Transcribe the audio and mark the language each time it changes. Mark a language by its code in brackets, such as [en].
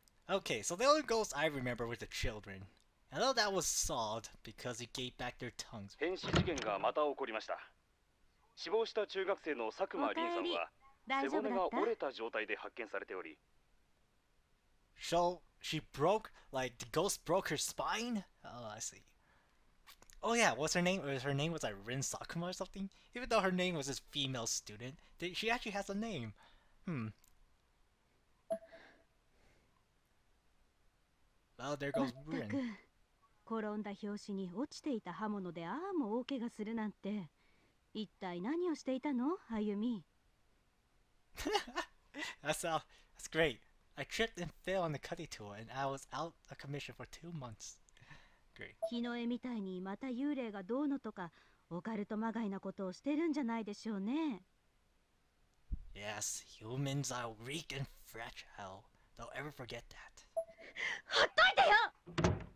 [en] Okay, so the only ghost I remember were the children. I thought that was solved because it gave back their tongues. [ja] 変死事件がまた起こりました。死亡した中学生の佐久間凛さんは背骨が折れた状態で発見されており。 [en] So she broke, like the ghost broke her spine? Oh, I see. Oh yeah, what's her name? Her name was like Rin Sakuma or something? Even though her name was this female student, she actually has a name. Well, there goes Rin. [ja] 転んだ拍子に落ちていた刃物でああも大怪我するなんて、一体何をしていたの、歩み。 [en] That's great. I tripped and fell on the cutting tool and I was out of commission for 2 months. Great. [ja] 日の絵みたいにまた幽霊がどうのとか、オカルトまがいなことをしてるんじゃないでしょうね。 [en] Yes, humans are weak and fragile. Don't ever forget that. [ja] ほっといてよ！